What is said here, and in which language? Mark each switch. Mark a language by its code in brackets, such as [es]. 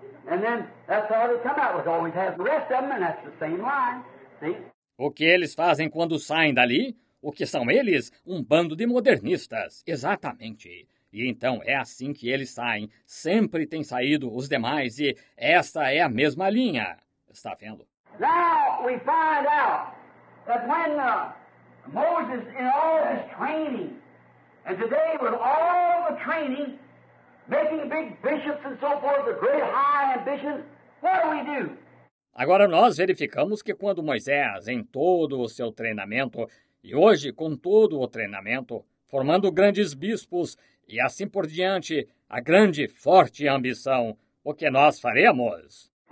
[en] And then that's how they come out. We always have the rest of them, and that's the same line. See? [pt] O que eles fazem quando saem dali? O que são eles? Um bando de modernistas. Exatamente. E então é assim que eles saem. Sempre têm saído os demais, e essa é a mesma linha. Está vendo? [en] Now we find out that when Moses in all his training. And today, with all the training, making big bishops and so forth, the great high ambition, what do? [pt] Agora nós verificamos que quando Moisés, em todo o seu treinamento, e hoje com todo o treinamento, formando grandes bispos e assim por diante, a grande, forte ambição, o que nós faremos?